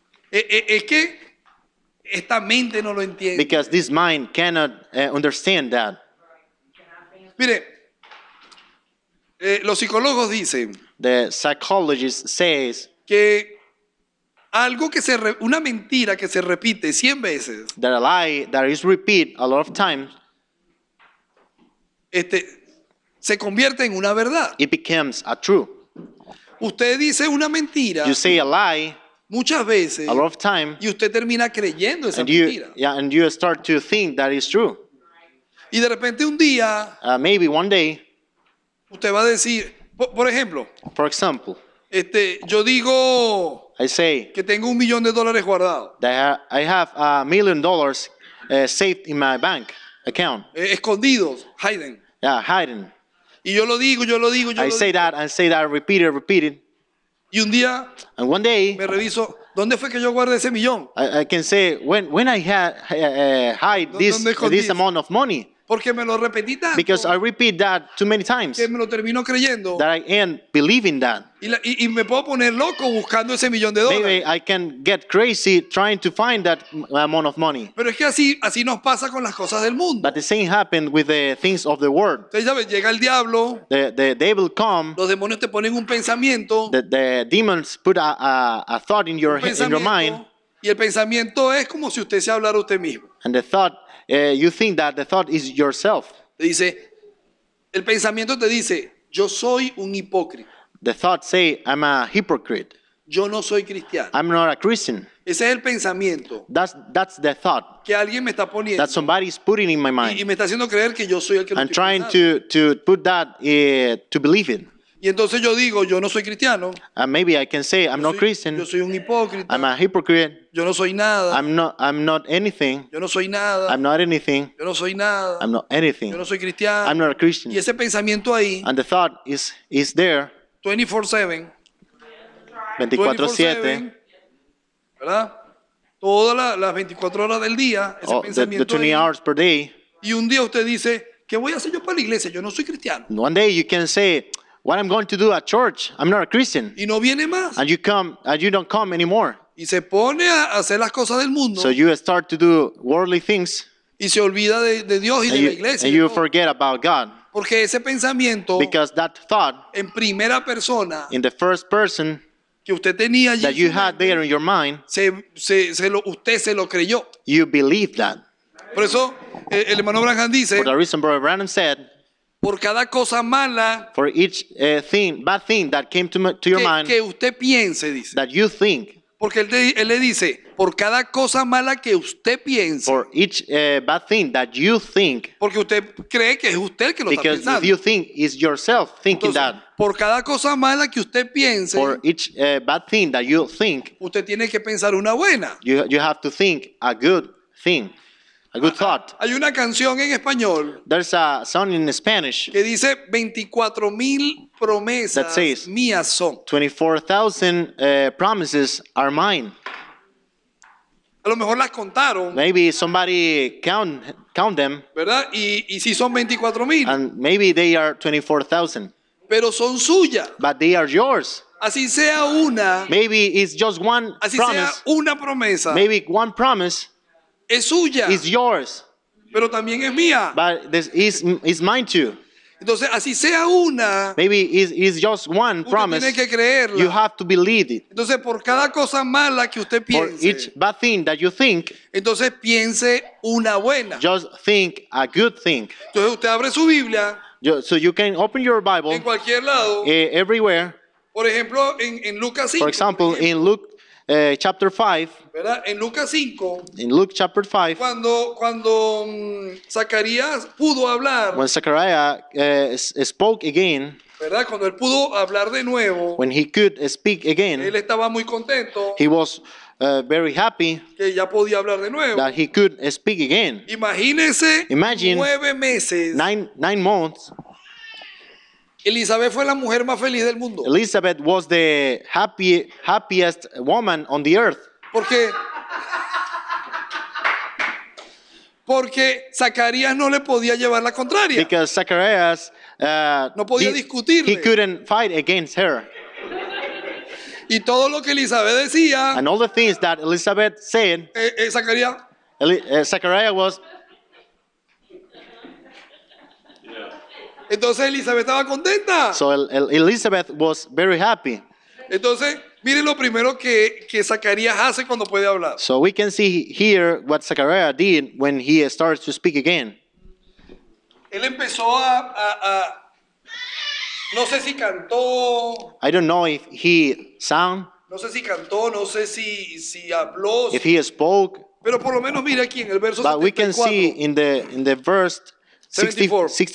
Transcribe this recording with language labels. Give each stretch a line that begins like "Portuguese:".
Spanish: Es que esta mente no lo entiende.
English: Because this mind cannot understand that.
Spanish: Mire. Los psicólogos dicen,
English: the psychologist says,
Spanish: que algo que se una mentira que se repite 100 veces,
English: that a lie that is repeated a lot of times,
Spanish: se convierte en una verdad.
English: It becomes a true.
Spanish: Usted dice una mentira,
English: you say a lie,
Spanish: muchas veces,
English: a lot of time,
Spanish: y usted termina creyendo esa mentira.
English: And you start to think that is true.
Spanish: Y de repente un día,
English: maybe one day,
Spanish: usted va a decir, por ejemplo,
English: for example,
Spanish: yo digo,
English: I say,
Spanish: que tengo $1,000,000 guardado.
English: That I have $1,000,000 saved in my bank account.
Spanish: Escondidos,
English: hiding. Yeah, hiding.
Spanish: Y yo lo digo, yo lo digo.
English: I say that, repeated.
Spanish: Y un día,
English: and one day,
Spanish: me reviso, ¿dónde fue que yo guardé ese millón?
English: I can say, when I had hide this amount of money.
Spanish: Porque me lo repetí tanto.
English: Because I repeat that too many times.
Spanish: Que me lo termino creyendo.
English: That I end believing that.
Spanish: Y me puedo poner loco buscando ese millón de dólares.
English: Maybe I can get crazy trying to find that amount of money.
Spanish: Pero es que así nos pasa con las cosas del mundo.
English: But the same happened with the things of the world.
Spanish: Entonces ya ves, llega el diablo.
English: The devil come.
Spanish: Los demonios te ponen un pensamiento.
English: The demons put a thought in your mind.
Spanish: Y el pensamiento es como si usted se hablara usted mismo.
English: And the thought. You think that the thought is yourself.
Spanish: Dice, el pensamiento te dice, yo soy un hipócrita.
English: The thought say, I'm a hypocrite.
Spanish: Yo no soy cristiano.
English: I'm not a Christian.
Spanish: Ese es el pensamiento.
English: That's the thought.
Spanish: Que alguien me está poniendo.
English: That somebody is putting in my mind.
Spanish: Y me está haciendo creer que yo soy el que lo
English: I'm trying to put that to believe it.
Spanish: Y entonces yo digo, yo no soy cristiano.
English: Maybe I can say, I'm not Christian.
Spanish: Yo soy un hipócrita.
English: I'm a hypocrite.
Spanish: Yo no soy nada.
English: I'm not anything.
Spanish: Yo no soy nada.
English: I'm not anything.
Spanish: Yo no soy nada.
English: I'm not anything.
Spanish: Yo no soy cristiano.
English: I'm not a Christian.
Spanish: Y ese pensamiento ahí.
English: And the thought is there.
Spanish: 24/7.
English: 24/7.
Spanish: ¿Verdad? Todas las 24 horas del día, ese pensamiento
English: the 20 ahí. Hours per day.
Spanish: Y un día usted dice, ¿qué voy a hacer yo para la iglesia? Yo no soy cristiano.
English: One day you can say, what I'm going to do at church? I'm not a Christian.
Spanish: Y no viene más.
English: And you come, and you don't come anymore.
Spanish: Y se pone a hacer las cosas del mundo.
English: So you start to do worldly things.
Spanish: Y se olvida de Dios y de la iglesia.
English: And you forget about God.
Spanish: Porque ese pensamiento,
English: because that thought,
Spanish: en primera persona,
English: in the first person,
Spanish: que usted tenía allí,
English: that you had there in your mind,
Spanish: usted se lo creyó.
English: You believe that.
Spanish: Por eso, el hermano Branham dice,
English: for the reason Brother Branham said,
Spanish: por cada cosa mala,
English: for each bad thing that came to your mind,
Spanish: que usted piense, dice,
English: that you think,
Spanish: porque él le dice, por cada cosa mala que usted piense,
English: for each bad thing that you think,
Spanish: porque usted cree que es usted el que lo está pensando,
English: because you think is yourself thinking.
Spanish: Entonces,
English: that
Spanish: por cada cosa mala que usted piense,
English: for each bad thing that you think,
Spanish: usted tiene que pensar una buena.
English: You have to think a good thing. A good thought.
Spanish: Hay una canción en español.
English: There's a song in Spanish.
Spanish: Que dice 24,000 promesas.
English: That says,
Spanish: mías son.
English: 24,000 promises are mine.
Spanish: A lo mejor las contaron.
English: Maybe somebody count them.
Spanish: ¿Verdad? Y si son 24,000.
English: And maybe they are 24,000.
Spanish: Pero son suyas.
English: But they are yours.
Spanish: Así sea una.
English: Maybe it's just one
Spanish: así
English: promise.
Spanish: Sea una promesa.
English: Maybe one promise.
Spanish: Es suya.
English: It's yours.
Spanish: Pero también es mía.
English: But this is mine too.
Spanish: Entonces, así sea una,
English: maybe it's just one promise.
Spanish: Tiene que creerla.
English: You have to believe it.
Spanish: Entonces, por cada cosa mala que usted piense,
English: for each bad thing that you think,
Spanish: entonces piense una buena.
English: Just think a good thing.
Spanish: Entonces, usted abre su Biblia.
English: So you can open your Bible.
Spanish: En cualquier lado.
English: Everywhere.
Spanish: Por ejemplo, en Lucas 5.
English: For example, in Luke chapter 5.
Spanish: ¿Verdad? En Lucas 5.
English: In Luke chapter 5.
Spanish: Cuando Zacarías pudo hablar.
English: When Zechariah spoke again.
Spanish: ¿Verdad? Cuando él pudo hablar de nuevo.
English: When he could speak again.
Spanish: Él estaba muy contento.
English: He was very happy.
Spanish: Que ya podía hablar de nuevo.
English: That he could speak again.
Spanish: Imagínese.
English: Imagine.
Spanish: 9 meses.
English: Nine months.
Spanish: Elizabeth fue la mujer más feliz del mundo.
English: Elizabeth was the happiest woman on the earth.
Spanish: Porque Zacarías no le podía llevar la contraria.
English: Because Zacarías
Spanish: no podía discutirle.
English: He couldn't fight against her.
Spanish: Y todo lo que Elizabeth decía.
English: And all the things that Elizabeth said.
Spanish: Zacarías.
English: Zacarías was.
Spanish: Entonces Elizabeth estaba contenta.
English: So Elizabeth was very happy.
Spanish: Entonces, miren lo primero que Zacarías hace cuando puede hablar.
English: So we can see here what Zacarías did when he starts to speak again.
Spanish: Él empezó a no sé si cantó.
English: I don't know if he sang.
Spanish: No sé si cantó, no sé si habló.
English: If he spoke.
Spanish: Pero por lo menos mira aquí en el verso
English: but
Spanish: 74.
English: But we can see in the verse 74.